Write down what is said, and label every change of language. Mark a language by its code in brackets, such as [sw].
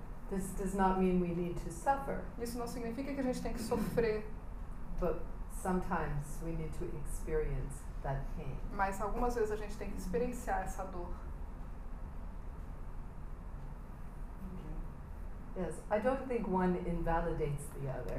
[en] This does not mean we need to suffer. [pt] Isso não significa que a gente tem que sofrer. [en] But sometimes we need to experience that pain. [pt] Mas algumas vezes a gente tem que experienciar essa dor. [en] Yes, I don't think one invalidates the other.